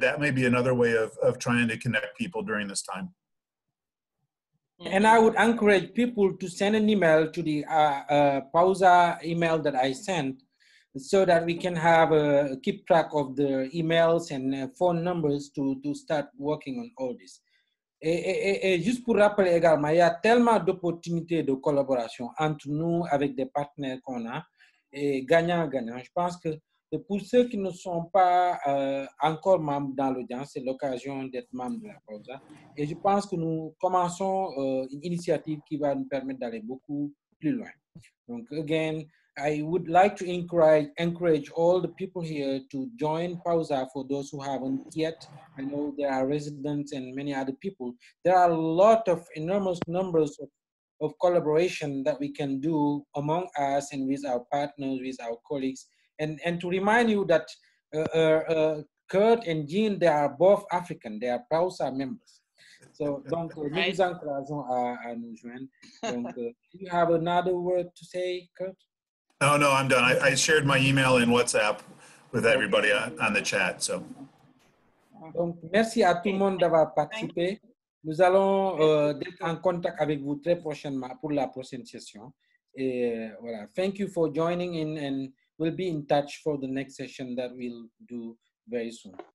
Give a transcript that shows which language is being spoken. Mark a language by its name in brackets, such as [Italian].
[English] That may be another way of trying to connect people during this time. And I would encourage people to send an email to the PAUSA email that I sent so that we can have keep track of the emails and phone numbers to start working on all this. [French] Et juste pour rappeler également, il y a tellement d'opportunités de collaboration entre nous avec des partenaires qu'on a, et gagnant-gagnant. Je pense que pour ceux qui ne sont pas encore membres dans l'audience, c'est l'occasion d'être membre de la PAUSA. Et je pense que nous commençons une initiative qui va nous permettre d'aller beaucoup plus loin. [English] Donc, again, I would like to encourage all the people here to join PAUSA for those who haven't yet. I know there are residents and many other people. There are a lot of enormous numbers of collaboration that we can do among us and with our partners, with our colleagues. And to remind you that Kurt and Jean, they are both African. They are PAUSA members. So, [French] nous vous encourageons à nous joindre. [English] Donc, do you have another word to say, Kurt? No, I'm done. I shared my email and WhatsApp with everybody on the chat. So. [French] Donc, merci à tout le monde d'avoir participé. Nous allons être en contact avec vous très prochainement pour la prochaine session. Et voilà. [English] Thank you for joining in, and we'll be in touch for the next session that we'll do very soon.